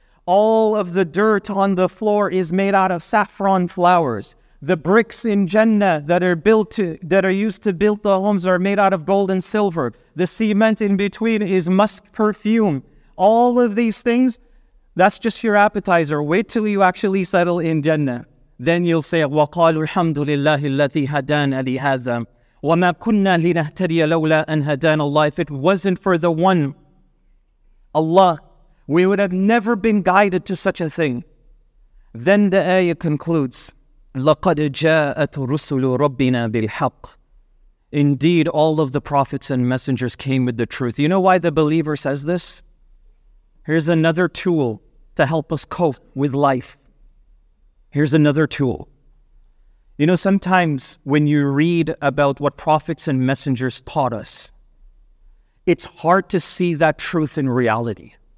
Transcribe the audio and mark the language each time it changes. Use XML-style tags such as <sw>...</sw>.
<en>All of the dirt on the floor is made out of saffron flowers. The bricks in Jannah that are built to, that are used to build the homes are made out of gold and silver. The cement in between is musk perfume. All of these things, that's just your appetizer. Wait till you actually settle in Jannah. Then you'll say,</en> <ar>وَقَالُوا الْحَمْدُ لِلَّهِ الَّذِي هَدَانَ لِهَذَا وَمَا كُنَّا لِنَهْتَدِيَ لَوْلَا أَنْ هَدَانَ اللَّهِ.</ar> <en>If it wasn't for the one, Allah, we would have never been guided to such a thing. Then the ayah concludes,</en> <ar>لَقَدْ جَاءَتْ رُسُلُ رَبِّنَا بِالْحَقِّ.</ar> <en>Indeed, all of the prophets and messengers came with the truth. You know why the believer says this? Here's another tool to help us cope with life. Here's another tool. You know, sometimes when you read about what prophets and messengers taught us, it's hard to see that truth in reality.</en>